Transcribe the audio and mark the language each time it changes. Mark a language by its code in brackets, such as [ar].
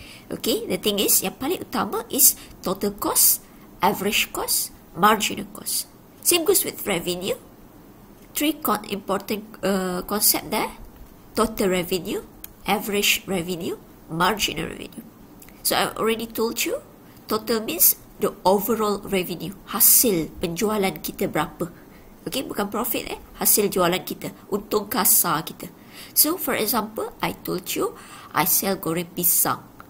[en] Okay, the thing is, [id] yang paling utama [en] is total cost, average cost, marginal cost. Same goes with revenue. Three important concept there. Total revenue, average revenue, marginal revenue. So, I already told you, total means the overall revenue. [id] Hasil penjualan kita berapa. Okay, bukan profit eh. Hasil jualan kita. Untung kasar kita. [en] So, for example, I told you, I sell goreng pisang.